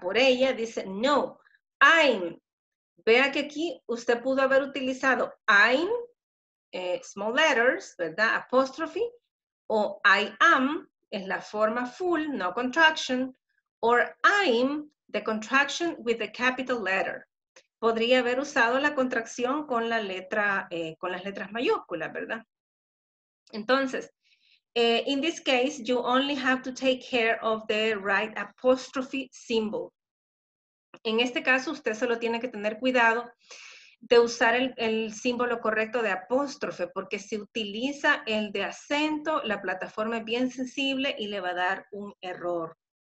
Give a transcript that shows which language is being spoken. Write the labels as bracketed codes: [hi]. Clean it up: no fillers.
[es] Por ella, dice, no, I'm. Vea que aquí usted pudo haber utilizado I'm, [en] small letters, [es] ¿verdad? Apostrophe. O I am, es la forma full, [en] no contraction. Or I'm, the contraction with the capital letter. [es] Podría haber usado la contracción con la letra, con las letras mayúsculas, ¿verdad? [en] Entonces, in this case, you only have to take care of the right apostrophe symbol. [es] En este caso, usted solo tiene que tener cuidado de usar el símbolo correcto de apóstrofe, porque si utiliza el de acento, la plataforma es bien sensible y le va a dar un error.